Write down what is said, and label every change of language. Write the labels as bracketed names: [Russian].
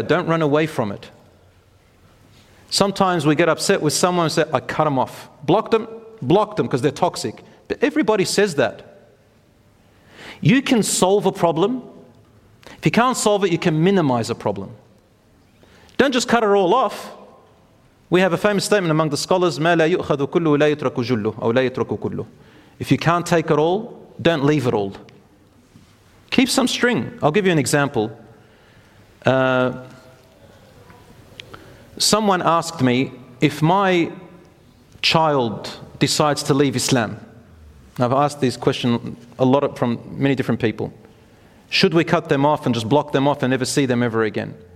[English] Don't run away from it. Sometimes we get upset with someone and say, I cut them off. Block them because they're toxic. But everybody says that. You can solve a problem. If you can't solve it, you can minimize a problem. Don't just cut it all off. We have a famous statement among the scholars, [Arabic] مَا لَا يُؤْخَذُ كُلُّهُ لَا يُتْرَكُ جُلُّهُ أَوْ لَا يُتْرَكُ كُلُّهُ. [English] If you can't take it all, don't leave it all. Keep some string. I'll give you an example. Someone asked me, if my child decides to leave Islam, I've asked this question a lot from many different people, should we cut them off and just block them off and never see them ever again?